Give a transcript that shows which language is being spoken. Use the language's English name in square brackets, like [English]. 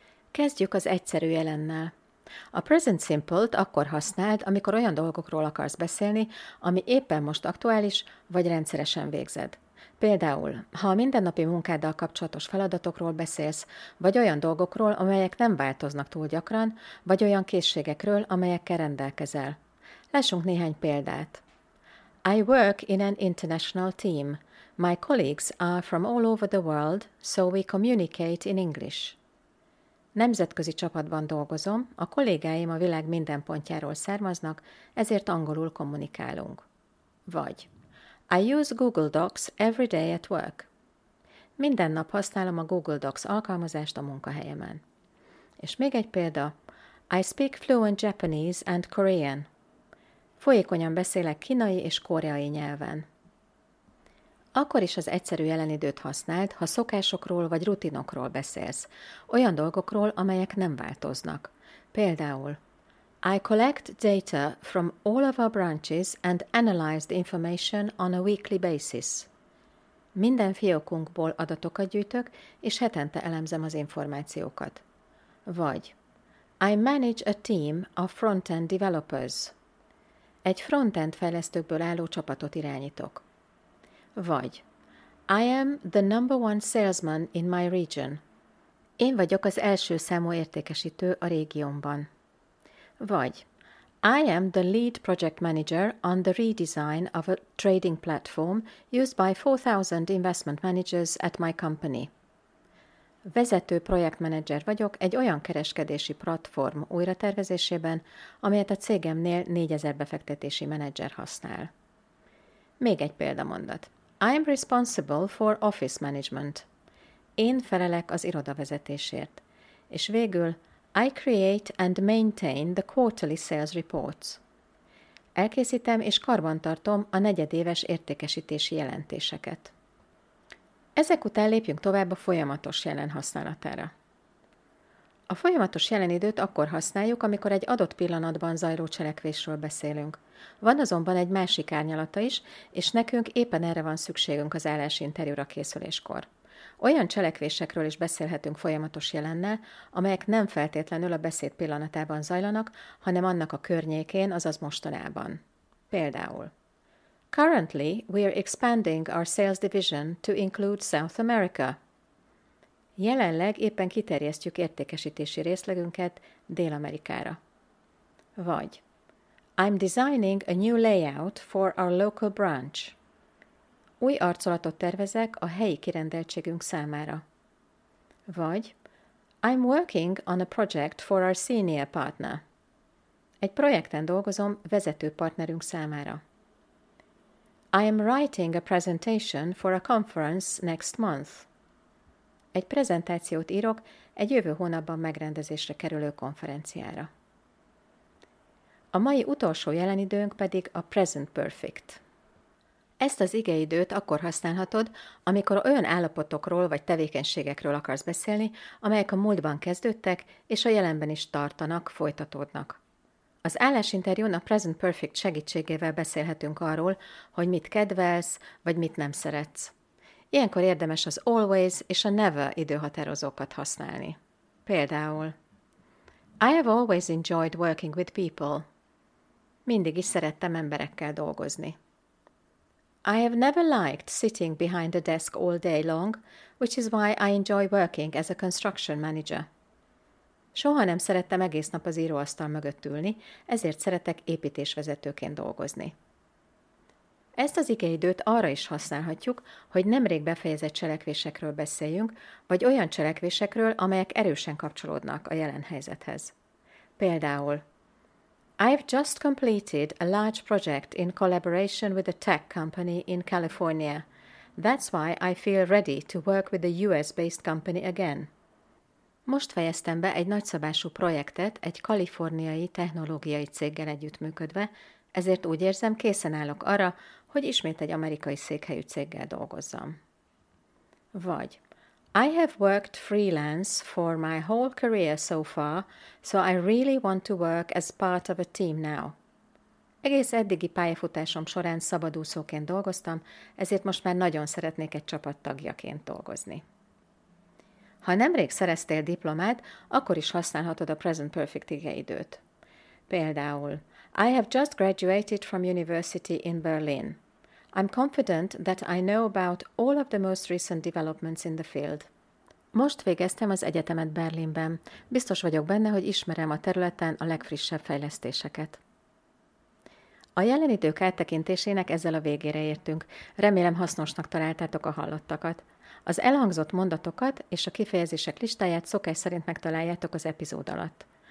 [Hungarian] Kezdjük az egyszerű jelennel. A present simple-t akkor használd, amikor olyan dolgokról akarsz beszélni, ami éppen most aktuális, vagy rendszeresen végzed. Például, ha a mindennapi munkáddal kapcsolatos feladatokról beszélsz, vagy olyan dolgokról, amelyek nem változnak túl gyakran, vagy olyan készségekről, amelyekkel rendelkezel. Lássunk néhány példát. [English] I work in an international team. My colleagues are from all over the world, so we communicate in English. [Hungarian] Nemzetközi csapatban dolgozom, a kollégáim a világ minden pontjáról származnak, ezért angolul kommunikálunk. [English] Vagy I use Google Docs every day at work. [Hungarian] Minden nap használom a Google Docs alkalmazást a munkahelyemen. És még egy példa. [English] I speak fluent Japanese and Korean. [Hungarian] Folyékonyan beszélek kínai és koreai nyelven. Akkor is az egyszerű jelenidőt használd, ha szokásokról vagy rutinokról beszélsz. Olyan dolgokról, amelyek nem változnak. Például [English] I collect data from all of our branches and analyze the information on a weekly basis. [Hungarian] Minden fiókunkból adatokat gyűjtök, és hetente elemzem az információkat. [English] Vagy I manage a team of front-end developers. [Hungarian] Egy front-end fejlesztőkből álló csapatot irányítok. Vagy [English] I am the number one salesman in my region. [Hungarian] Én vagyok az első számú értékesítő a régiómban. [English] Vagy I am the lead project manager on the redesign of a trading platform used by 4,000 investment managers at my company. [Hungarian] Vezető projektmenedzser vagyok egy olyan kereskedési platform újratervezésében, amelyet a cégemnél 4,000 befektetési menedzser használ. Még egy példamondat. [English] I am responsible for office management. [Hungarian] Én felelek az irodavezetésért. És végül [English] I create and maintain the quarterly sales reports. [Hungarian] elkészítem és karbantartom a negyedéves értékesítési jelentéseket. Ezek után lépjünk tovább a folyamatos jelen használatára. A folyamatos jelen időt akkor használjuk, amikor egy adott pillanatban zajló cselekvésről beszélünk. Van azonban egy másik árnyalata is, és nekünk éppen erre van szükségünk az állási interjúra készüléskor. Olyan cselekvésekről is beszélhetünk folyamatos jelennel, amelyek nem feltétlenül a beszéd pillanatában zajlanak, hanem annak a környékén, azaz mostanában. [English] Például: Currently, we are expanding our sales division to include South America. [Hungarian] Jelenleg éppen kiterjesztjük értékesítési részlegünket Dél-Amerikára. [English] Vagy: I'm designing a new layout for our local branch. [Hungarian] Új arcolatot tervezek a helyi kirendeltségünk számára. [English] Vagy: I'm working on a project for our senior partner. [Hungarian] Egy projekten dolgozom vezető partnerünk számára. [English] I am writing a presentation for a conference next month. [Hungarian] Egy prezentációt írok egy jövő hónapban megrendezésre kerülő konferenciára. A mai utolsó jelenidőnk pedig a present perfect. Ezt az igeidőt akkor használhatod, amikor olyan állapotokról vagy tevékenységekről akarsz beszélni, amelyek a múltban kezdődtek, és a jelenben is tartanak, folytatódnak. Az állásinterjún a Present Perfect segítségével beszélhetünk arról, hogy mit kedvelsz, vagy mit nem szeretsz. Ilyenkor érdemes az always és a never időhatározókat használni. Például: I have always enjoyed working with people. Mindig is szerettem emberekkel dolgozni. I have never liked sitting behind a desk all day long, which is why I enjoy working as a construction manager. Soha nem szerettem egész nap az íróasztal mögött ülni, ezért szeretek építésvezetőként dolgozni. Ezt az igeidőt arra is használhatjuk, hogy nemrég befejezett cselekvésekről beszéljünk, vagy olyan cselekvésekről, amelyek erősen kapcsolódnak a jelen helyzethez. [English] Például: I've just completed a large project in collaboration with a tech company in California. That's why I feel ready to work with a US-based company again. [Hungarian] Most fejeztem be egy nagyszabású projektet egy kaliforniai technológiai céggel együttműködve, ezért úgy érzem, készen állok arra, hogy ismét egy amerikai székhelyű céggel dolgozzam. [English] Vagy: I have worked freelance for my whole career so far, so I really want to work as part of a team now. [Hungarian] Egész eddigi pályafutásom során szabadúszóként dolgoztam, ezért most már nagyon szeretnék egy csapattagjaként dolgozni. Ha nemrég szereztél diplomát, akkor is használhatod a present perfect igeidőt. [English] Például: I have just graduated from university in Berlin. I'm confident that I know about all of the most recent developments in the field. [Hungarian] Most végeztem az egyetemet Berlinben. Biztos vagyok benne, hogy ismerem a területen a legfrissebb fejlesztéseket. A jelen idők áttekintésének ezzel a végére értünk. Remélem hasznosnak találtátok a hallottakat. Az elhangzott mondatokat és a kifejezések listáját szokás szerint megtaláljátok az epizód alatt.